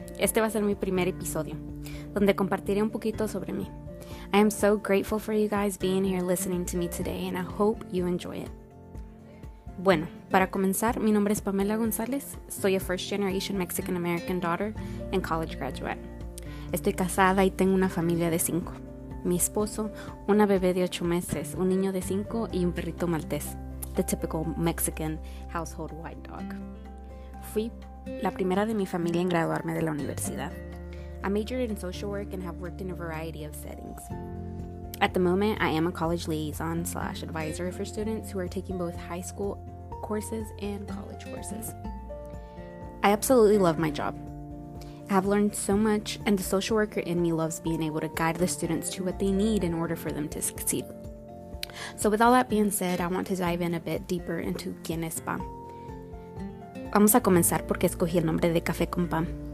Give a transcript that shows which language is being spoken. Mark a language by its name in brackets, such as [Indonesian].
[Spanish] Este va a ser mi primer episodio, donde compartiré un poquito sobre mí. [English] I am so grateful for you guys being here listening to me today, and I hope you enjoy it. [Spanish] Bueno, para comenzar, mi nombre es Pamela González. [English] Soy a first-generation Mexican-American daughter and college graduate. [Spanish] Estoy casada y tengo una familia de cinco. Mi esposo, una bebé de 8 meses, un niño de 5 y un perrito maltés. [English] The typical Mexican household white dog. [Spanish] Fui la primera de mi familia en graduarme de la universidad. [English] I majored in social work and have worked in a variety of settings. At the moment, I am a college liaison / advisor for students who are taking both high school courses and college courses. I absolutely love my job. I have learned so much, and the social worker in me loves being able to guide the students to what they need in order for them to succeed. So with all that being said, I want to dive in a bit deeper into Quien es Pam. [Spanish] Vamos a comenzar porque escogí el nombre de Café con Pan.